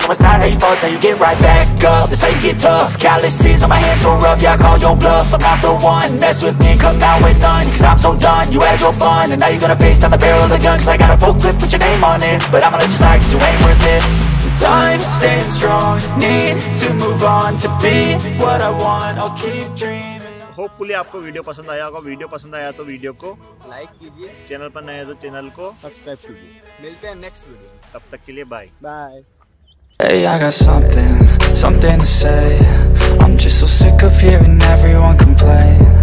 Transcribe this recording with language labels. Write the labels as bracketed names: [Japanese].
[English] No, it's not how you fall, it's how you get right back up. That's how you get tough. Calluses on my hands so rough, yeah, I call your bluff. I'm not the one, mess with me, come out with none. Cause I'm so done, you had your fun. And now you're gonna face down the barrel of the gun. Cause I got a full clip, put your name on it. But I'ma let you slide cause you ain't worth it. Time staying strong, need to move on to be what I want. I'll keep dreaming. [Hindi] Hopefully आपको video पसंद आया होगा। Video पसंद आया तो video को like कीजिए, channel पर नए हैं तो चैनल को सब्सक्राइब कीजिए। मिलते हैं नेक्स्ट वीडियो, तब तक के लिए bye bye. [English] Hey, I got something, something to say. I'm just so sick of hearing everyone complain.